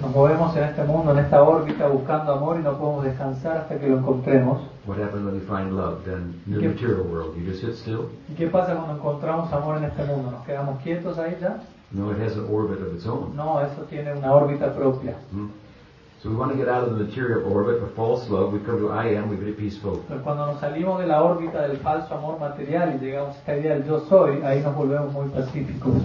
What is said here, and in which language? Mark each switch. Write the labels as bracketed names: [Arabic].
[Spanish] Nos movemos en este mundo, en esta órbita, buscando amor y no podemos descansar hasta que lo encontremos. [English] What happens when we find love? Then in the material world, you just sit still. [Spanish] ¿Y qué pasa cuando encontramos amor en este mundo? ¿Nos quedamos quietos ahí ya? [English] No, it has an orbit of its own. [Spanish] No, eso tiene una órbita propia. [English] So we want to get out of the material orbit of false love. We come to I am. We're very peaceful. [Spanish] Pero cuando nos salimos de la órbita del falso amor material y llegamos a esta idea del yo soy, ahí nos volvemos muy pacíficos.